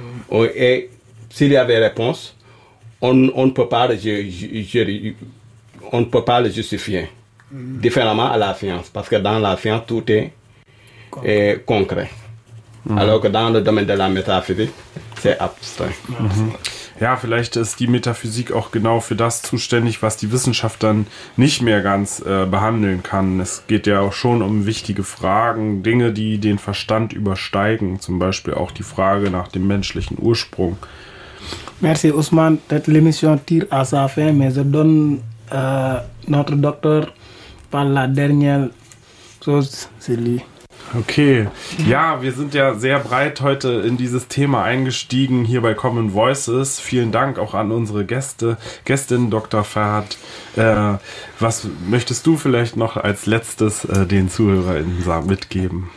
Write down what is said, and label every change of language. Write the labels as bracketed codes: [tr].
[fr] Et s'il y avait réponse, on ne peut pas le justifier. Différemment à la science, parce que dans la science tout est concret, alors que dans le domaine de la métaphysique c'est abstrait. [de] Ja, vielleicht ist die Metaphysik auch genau für das zuständig, was die Wissenschaft dann nicht mehr ganz behandeln kann. Es geht ja auch schon um wichtige Fragen, Dinge, die den Verstand übersteigen, zum Beispiel auch die Frage nach dem menschlichen Ursprung. [fr] Merci Ousmane, cette l'émission tire à sa fin, mais je donne notre docteur par la dernière chose, c'est lui. [de] Okay, ja, wir sind ja sehr breit heute in dieses Thema eingestiegen, hier bei Common Voices. Vielen Dank auch an unsere Gästin Dr. Farad. Was möchtest du vielleicht noch als letztes den ZuhörerInnen mitgeben?